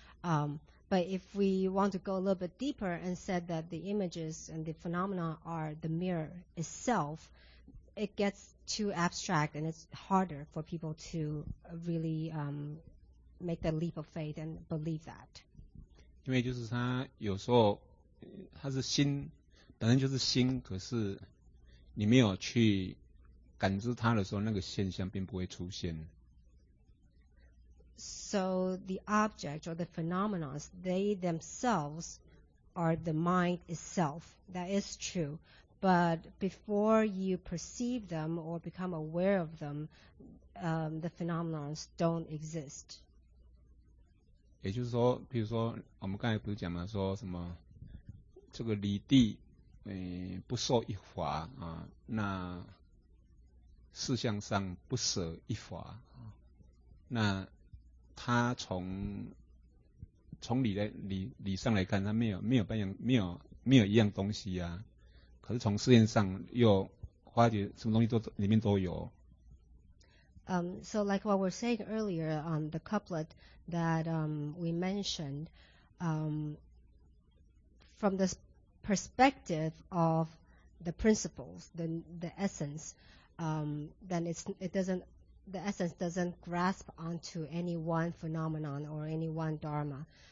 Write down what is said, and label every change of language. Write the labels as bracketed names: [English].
[English] But if we want to go a little bit deeper and said that the images and the phenomena are the mirror itself, it gets too abstract and it's harder for people to really make the leap of faith and believe that. [Chinese] 因为就是他有时候他是心，本身就是心，可是你没有去感知它的时候，那个现象并不会出现。 [English] So the object or the phenomena, they themselves are the mind itself. That is true. But before you perceive them or become aware of them, the phenomena don't exist. [Chinese] 也就是说，比如说我们刚才不是讲嘛，说什么这个离地，不受一法啊，那事相上不舍一法啊，那他从理上来看，他没有半样，没有一样东西啊。可是从事件上又发觉什么东西都里面都有。 [English] So like what we're saying earlier on the couplet that we mentioned, from this perspective of the principles, the essence, then the essence doesn't grasp onto any one phenomenon or any one dharma.